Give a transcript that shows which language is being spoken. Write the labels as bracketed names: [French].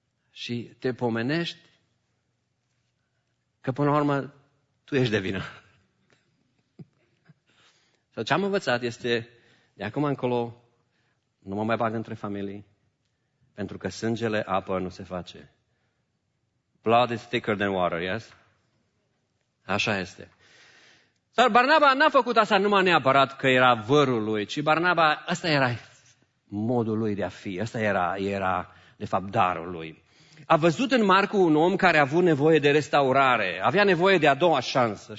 [Romanian] Și te pomenești că până la urmă tu ești de vină. Ce am învățat este, de acum încolo, nu mă mai bag între familii, pentru că sângele, apă nu se face. [English] Blood is thicker than water, yes? [Romanian] Așa este. Dar Barnaba n-a făcut asta numai neapărat că era vărul lui, ci Barnaba, ăsta era modul lui de a fi, ăsta era de fapt darul lui. A văzut în Marcu un om care a avut nevoie de restaurare, avea nevoie de a doua șansă.